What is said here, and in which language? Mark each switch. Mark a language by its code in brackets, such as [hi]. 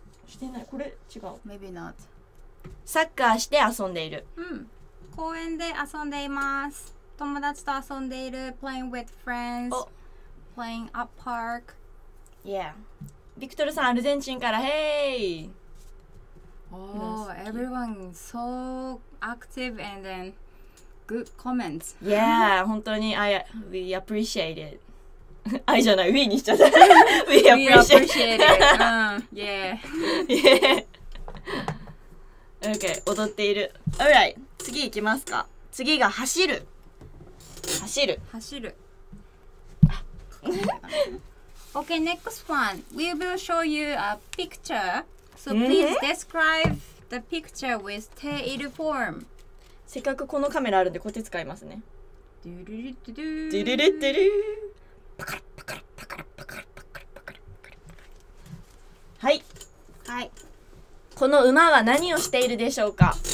[ja] してない。これ違う。 [en] Maybe not. [ja] サッカーして遊んでいる。うん。公園で遊んでいます。友達と遊んでいる。 [en] playing with friends. playing at park. Yeah. [ja] ビクトルさん、アルゼンチンから、hey! [en] Oh, everyone so active and then good comments. Yeah, [ja] 本当に [en] we appreciate it. I [ja] じゃない、 [en] we [ja] にしちゃった。 [en] we appreciate it. yeah. yeah. Okay, [ja] 踊っている。 Alright, 次行きますか。次が走る。走る。走る。 [en] okay, next one. We will show you a picture. So please describe the picture with tail form. [ja] せっかくこのカメラあるんでこっち使いますね。ドゥルルドゥルドゥルルドゥル。パカラパカラパカラパカラパカラパカラパカラ。はい。はい。この馬は何をしているでしょうか。